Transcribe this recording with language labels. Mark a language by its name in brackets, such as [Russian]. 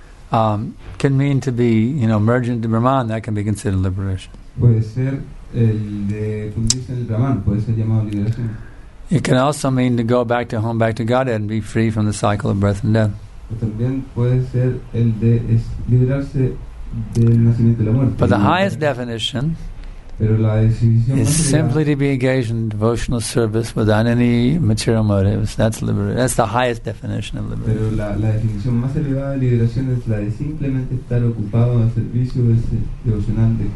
[English] Can mean to be, you know, merge into Brahman. That can be considered liberation. [Spanish] Puede ser el de fundirse en el Brahman. Puede ser llamado liberación. [English] It can also mean to go back to home, back to Godhead, and be free from the cycle of birth and death. [Spanish] También puede ser el de liberarse del nacimiento y la muerte. [English] But the highest definition is simply to be engaged in devotional service without any material motives. That's liberation. That's the highest definition of liberation. [Spanish] Pero la definición más elevada de liberación es la de simplemente estar ocupado en servicio devocional.